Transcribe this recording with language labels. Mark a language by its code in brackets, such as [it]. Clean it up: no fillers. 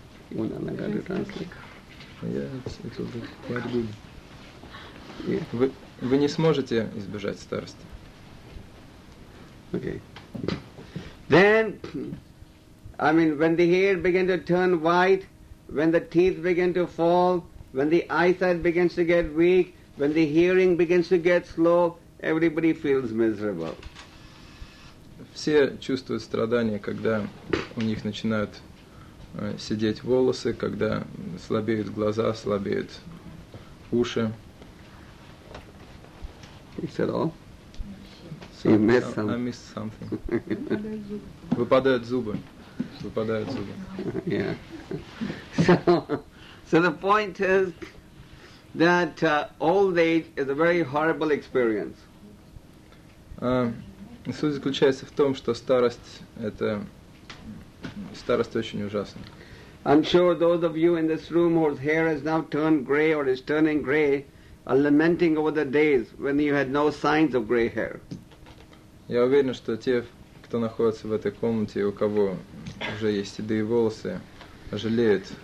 [ru] Вы не сможете избежать старости. [en] Okay. Then, I mean, when the hair begins to turn white, when the teeth begin to fall, when the eyesight begins to get weak, when the hearing begins to get slow, everybody feels miserable. [ru] Все чувствуют страдания, когда у них начинают сидеть волосы, когда слабеют глаза, слабеют уши. [en] Is that all? I missed something. [ru] Выпадают зубы. Выпадают зубы. [en] Yeah. So the point is that old age is a very horrible experience. [ru] Суть заключается в том, что старость очень ужасна. [en] I'm sure those of you in this room whose hair has now turned gray or is turning gray are lamenting over the days when you had no signs of gray hair. [ru] Я уверен, что те, кто находится в этой комнате, у кого уже есть седые волосы, жалеют,